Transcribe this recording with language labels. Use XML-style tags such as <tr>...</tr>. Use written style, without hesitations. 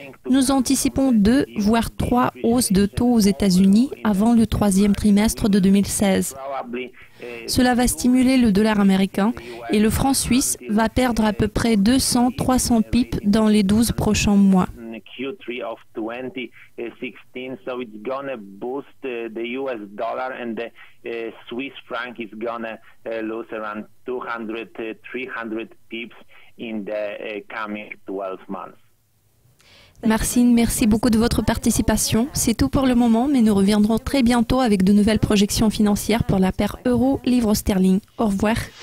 <fr>Nous anticipons 2 voire 3 hausses de taux aux États-Unis avant le troisième trimestre de 2016. Cela va stimuler le dollar américain et le franc suisse va perdre à peu près 200-300 pips dans les 12 prochains mois.</fr> <en>Q3 of 2016, so it's gonna boost the US dollar and the Swiss franc is gonna lose around 200-300 pips in the coming 12 months.</en> <fr>Marcine, merci beaucoup de votre participation. C'est tout pour le moment, mais nous reviendrons très bientôt avec de nouvelles projections financières pour la paire euro-livre sterling. Au revoir.</fr>